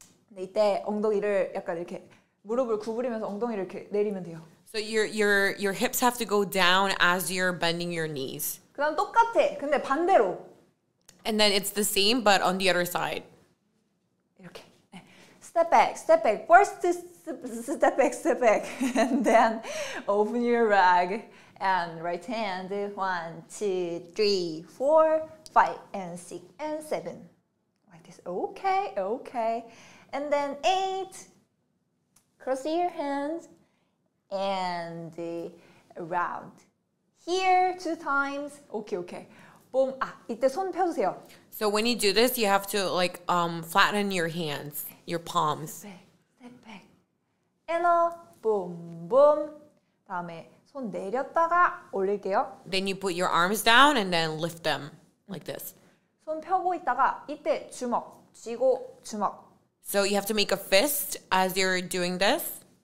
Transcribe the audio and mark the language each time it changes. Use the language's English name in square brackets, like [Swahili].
[Korean] 네, 이때 엉덩이를 약간 이렇게 무릎을 구부리면서 엉덩이를 이렇게 내리면 돼요. [English] So your hips have to go down as you're bending your knees. [Korean] 그다음 똑같아. 근데 반대로. [English] And then it's the same, but on the other side. [Korean] 이렇게. 네. [English] Step back, step back. First step back, step back. And then open your rag. And right hand, 1, 2, 3, 4, 5, and 6, and 7. Like this, okay, okay. And then 8, cross your hands, and around. Here, 2 times, okay, okay. Boom, 아, [Korean] 이때 손 펴주세요. [English] So when you do this, you have to like flatten your hands, your palms. Step back, step back. And boom, boom, [Korean] 다음에. 손 내렸다가 올릴게요. [English] Then you put your arms down and then lift them like this. [Korean] 손 펴고 있다가 이때 주먹 쥐고 주먹. [English] So you have to make a fist as you're doing this.